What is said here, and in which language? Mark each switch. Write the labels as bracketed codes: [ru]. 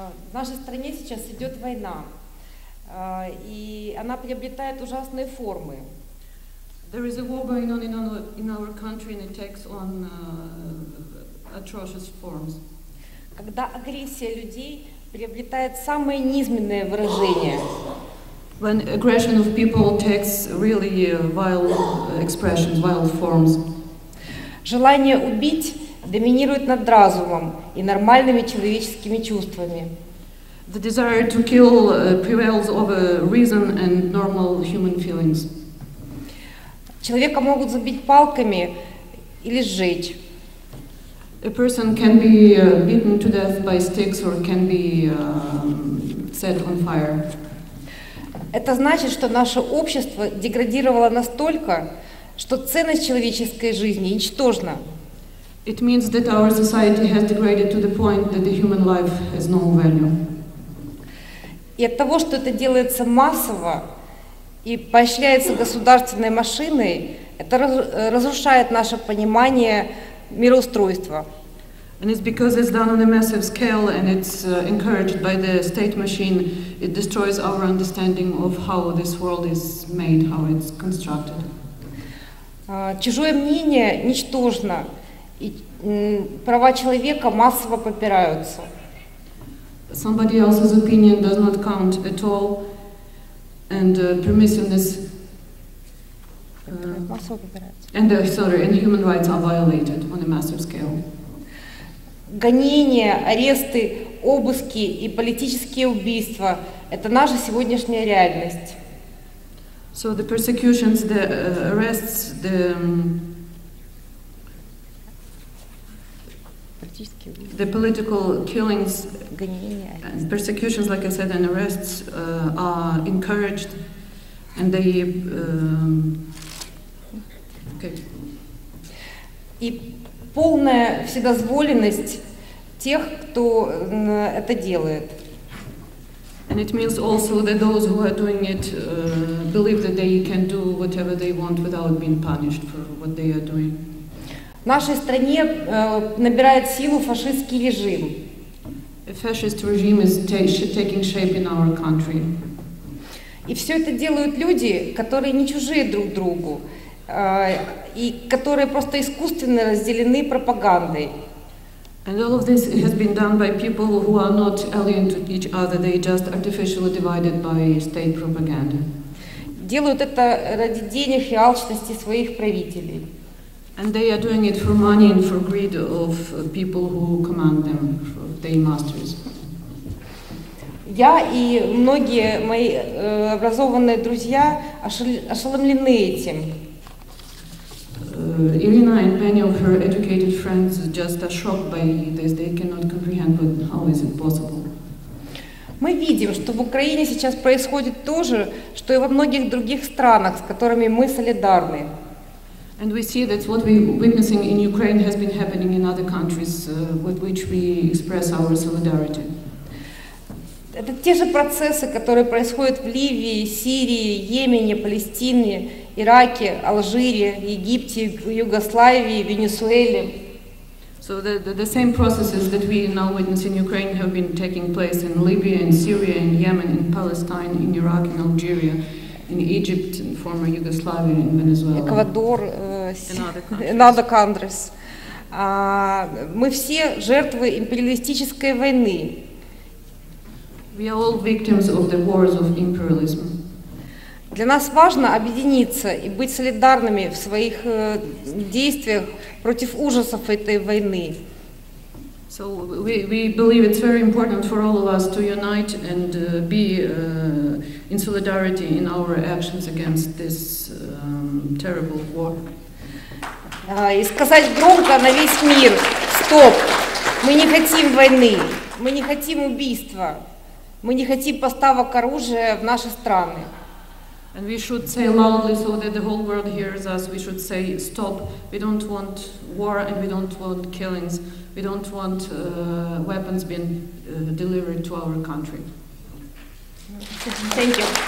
[ru] В нашей стране сейчас идет война, и она приобретает ужасные формы. [en] There is a war going on in our country, and it takes on atrocious forms. [ru] Когда агрессия людей приобретает самые низменные выражения. [en] When aggression of people takes really vile expressions, vile forms. [ru] Желание убить доминирует над разумом и нормальными человеческими чувствами. [en] The desire to kill prevails over reason and normal human feelings. [ru] Человека могут забить палками или сжечь. [en] A person can be beaten to death by sticks or can be set on fire. [ru] Это значит, что наше общество деградировало настолько, что ценность человеческой жизни ничтожна. [en] It means that our society has degraded to the point that the human life has no value. [ru] И от того, что это делается массово и поощряется государственной машиной, это разрушает наше понимание мироустройства. [en] And it's because it's done on a massive scale and it's encouraged by the state machine, it destroys our understanding of how this world is made, how it's constructed. [ru] Чужое мнение ничтожно, и права человека массово попираются. [en] Somebody else's opinion does not count at all, and permissiveness and human rights are violated on a massive scale. [ru] Гонения, аресты, обыски и политические убийства — это наша сегодняшняя реальность. [en] So the persecutions, the arrests, the... the political killings and persecutions, like I said, and arrests are encouraged, and they... [ru] И полная вседозволенность тех, кто это делает. [en] And it means also that those who are doing it believe that they can do whatever they want without being punished for what they are doing. [ru] В нашей стране набирает силу фашистский режим. [en] A fascist regime is taking shape in our country. [ru] И все это делают люди, которые не чужие друг другу, и которые просто искусственно разделены пропагандой. [en] And all of this has been done by people who are not alien to each other, they just artificially divided by state propaganda. [ru] Делают это ради денег и алчности своих правителей. [en] And they are doing it for money and for greed of people who command them, for their masters. [ru] Я и многие мои образованные друзья ошеломлены этим. [en] Ирина and many of her educated friends just are shocked by this. They cannot comprehend, but how is it possible? [ru] Мы видим, что в Украине сейчас происходит то же, что и во многих других странах, с которыми мы солидарны. [en] And we see that what we're witnessing in Ukraine has been happening in other countries with which we express our solidarity. [ru] Это те же процессы, которые происходят в Ливии, Сирии, Йемене, Палестине, Ираке, Алжире, Египте, Югославии, Венесуэле. [en] So the same processes that we now witness in Ukraine have been taking place in Libya, in Syria, in Yemen, in Palestine, in Iraq, in Algeria, in Egypt, in former Yugoslavia, in Venezuela. [ru] Эквадор, [en] in other countries. [ru] Мы все жертвы империалистической войны. [en] We are all victims of the wars of imperialism. [ru] Для нас важно объединиться и быть солидарными в своих действиях против ужасов этой войны. [en] So we believe it's very important for all of us to unite and be in solidarity in our actions against this terrible war. [ru] И сказать громко на весь мир: стоп! Мы не хотим войны, мы не хотим убийства, мы не хотим поставок оружия в наши страны. [en] And we should say loudly so that the whole world hears us, we should say stop, we don't want war and we don't want killings, we don't want weapons being delivered to our country. Thank you.